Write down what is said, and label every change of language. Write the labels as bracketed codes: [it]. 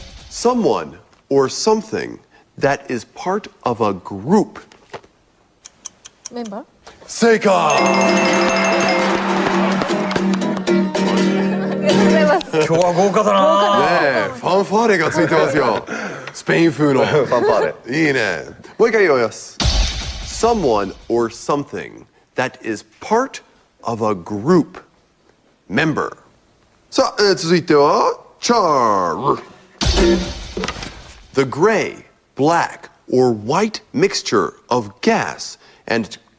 [en] Someone or something that is part of a group。 [ja] メンバー。正解。ありがとうございます。今日は豪華だな。ねえ、ファンファーレがついてますよ。スペイン風のファンファーレ。いいね。もう一回言おうよ。 [en] Someone or something that is part of a group member. [ja] さあ、続いては、char. [en] The gray, black, or white mixture of gas and...